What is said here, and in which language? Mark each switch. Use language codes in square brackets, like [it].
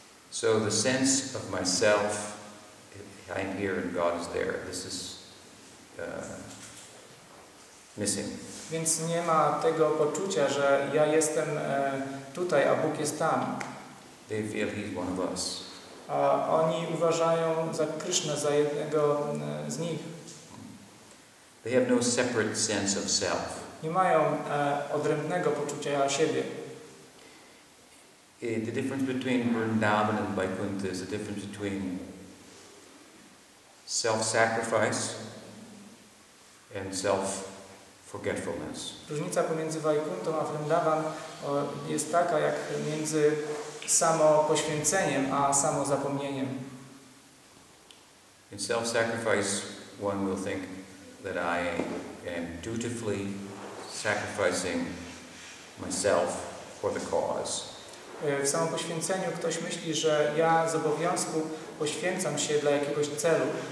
[en] So the sense of myself, I'm here and God is there, this is missing. [pl] Więc nie ma tego poczucia, że ja jestem tutaj, a Bóg jest tam. [en] They feel he's one of us. [pl] A oni uważają za Krishna, za jednego z nich. [en] They have no separate sense of self. [pl] nie mają odrębnego poczucia siebie. [en] The difference between Vrindavan and Vaikuntha is the difference between self-sacrifice and self-forgetfulness. [pl] Różnica pomiędzy Vaikuntą a Vrindavan jest taka, jak między samopoświęceniem a samozapomnieniem. [en] In self-sacrifice, one will think that I am dutifully sacrificing myself for the cause. [pl] W samopoświęceniu ktoś myśli, że ja z obowiązku poświęcam się dla jakiegoś celu.